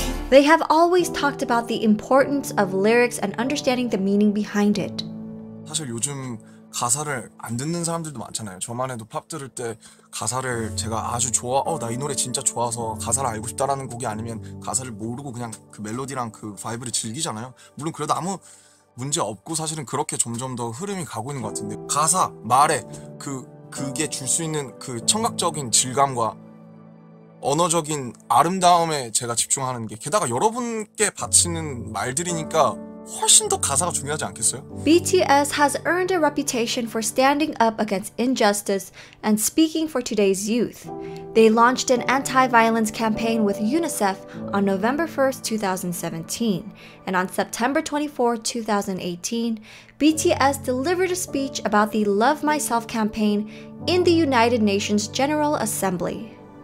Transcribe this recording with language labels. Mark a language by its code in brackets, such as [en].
[en] They have always talked about the importance of lyrics and understanding the meaning behind it. [ko] 사실 요즘 가사를 안 듣는 사람들도 많잖아요. 저만 해도 팝 들을 때 가사를 제가 아주 좋아, 나 이 노래 진짜 좋아서 가사를 알고 싶다라는 곡이 아니면 가사를 모르고 그냥 그 멜로디랑 그 바이브를 즐기잖아요. 물론 그래도 아무 문제 없고 사실은 그렇게 점점 더 흐름이 가고 있는 것 같은데 가사, 말에 그게 줄 수 있는 그 청각적인 질감과 언어적인 아름다움에 제가 집중하는 게 게다가 여러분께 바치는 말들이니까 훨씬 더 가사가 중요하지 않겠어요? [en] BTS has earned a reputation for standing up against injustice and speaking for today's youth. They launched an anti-violence campaign with UNICEF on November 1st, 2017. And on September 24, 2018, BTS delivered a speech about the Love Myself campaign in the United Nations General Assembly.